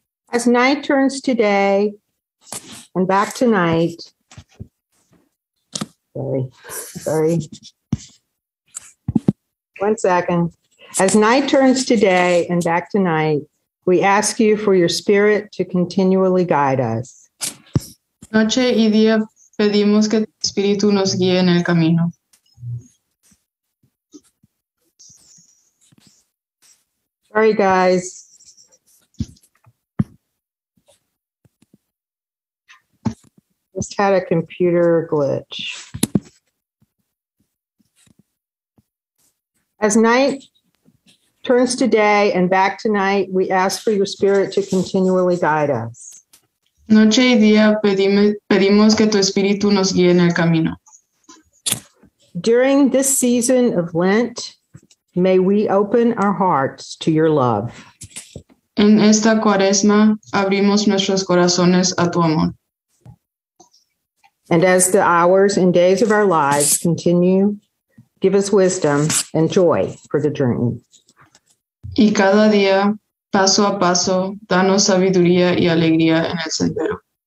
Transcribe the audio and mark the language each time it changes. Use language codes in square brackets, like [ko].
[en] As night turns to day and back to night. Sorry. One second. As night turns to day and back to night, we ask you for your spirit to continually guide us. [es] Noche y día pedimos que tu espíritu nos guíe en el camino. [en] Sorry, guys. Just had a computer glitch. As night turns to day and back to night, we ask for your spirit to continually guide us. [es] Noche y día pedimos que tu espíritu nos guíe en el camino. [en] During this season of Lent, may we open our hearts to your love. [es] En esta cuaresma, abrimos nuestros corazones a tu amor. [en] And as the hours and days of our lives continue, give us wisdom and joy for the journey. [es] Y cada día, paso a paso, danos sabiduría y alegría en el sendero.